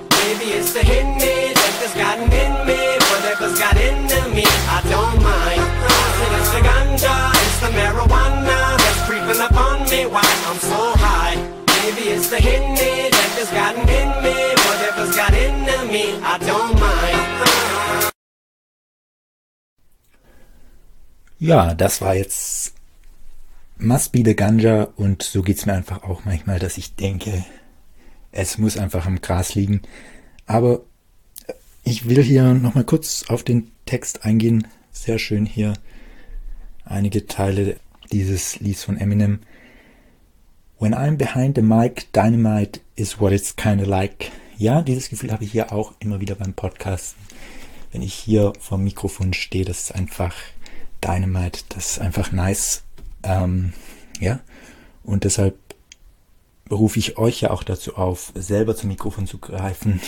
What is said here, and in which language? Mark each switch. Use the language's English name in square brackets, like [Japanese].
[English] Maybe it's the Hindi that has gotten in me, whatever's got into me, I don't mind. It's the ganja, it's the marijuana that's creeping up on me while I'm so high. Maybe it's the Hindi that has gotten in me, whatever's got into me, I don't mind. [German] Ja, das war jetzt Must Be the Ganja und so geht's mir einfach auch manchmal, dass ich denke, es muss einfach im Gras liegen. Aber ich will hier nochmal kurz auf den Text eingehen. Sehr schön hier einige Teile dieses Lieds von Eminem. [English] When I'm behind the mic, dynamite is what it's kinda like. [German] Ja, dieses Gefühl habe ich hier auch immer wieder beim Podcasten. Wenn ich hier vorm Mikrofon stehe, das ist einfach Dynamite, das ist einfach nice. Ja, und deshalb rufe ich euch ja auch dazu auf, selber zum Mikrofon zu greifen.